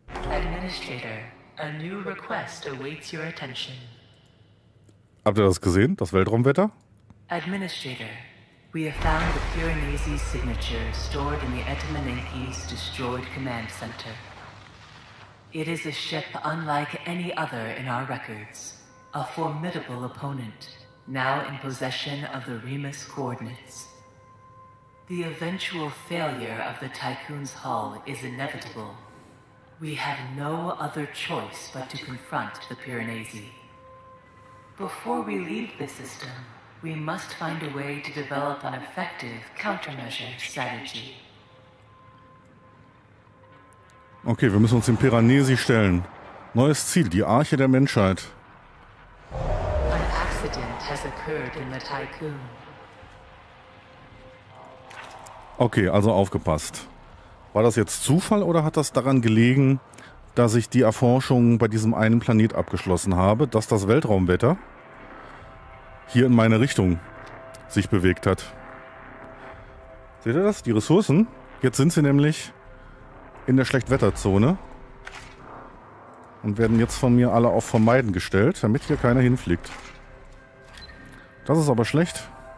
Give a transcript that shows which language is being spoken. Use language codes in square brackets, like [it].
[en] Administrator, a new request awaits your attention. [de] Habt ihr das gesehen, das Weltraumwetter? [en] Administrator, we have found the Piranesi signature stored in the Etamanenki's destroyed command center. It is a ship unlike any other in our records. A formidable opponent, now in possession of the Remus coordinates. The eventual failure of the Tycoon's hull is inevitable. We have no other choice but to confront the Piranesi. Before we leave the system, we must find a way to develop an effective countermeasure strategy. [de] Okay, wir müssen uns den Piranesi stellen. Neues Ziel, die Arche der Menschheit. [en] An accident has occurred in the Tycoon. [de] Okay, also aufgepasst. War das jetzt Zufall oder hat das daran gelegen, dass ich die Erforschung bei diesem einen Planet abgeschlossen habe, dass das Weltraumwetter hier in meine Richtung sich bewegt hat? Seht ihr das? Die Ressourcen? Jetzt sind sie nämlich in der Schlechtwetterzone und werden jetzt von mir alle auf Vermeiden gestellt, damit hier keiner hinfliegt. Das ist aber schlecht.